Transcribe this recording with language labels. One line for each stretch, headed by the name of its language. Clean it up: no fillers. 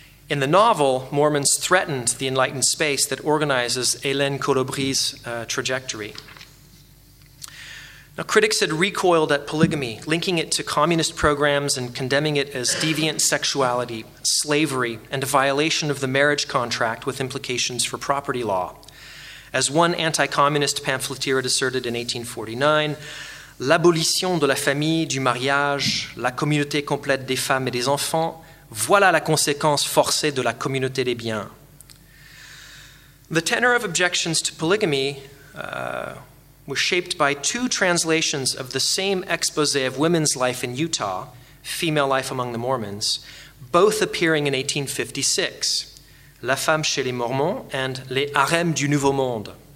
English: In the novel, Mormons threatened the enlightened space that organizes Hélène Colobry's trajectory. Now, critics had recoiled at polygamy, linking it to communist programs and condemning it as deviant sexuality, slavery, and a violation of the marriage contract with implications for property law. As one anti-communist pamphleteer had asserted in 1849,
French: l'abolition de la famille, du mariage, la communauté complète des femmes et des enfants, voilà la conséquence forcée de la communauté des biens.
English: The tenor of objections to polygamy was shaped by two translations of the same expose of women's life in Utah, Female Life Among the Mormons, both appearing in 1856, La Femme chez les Mormons and Les Harems du Nouveau Monde.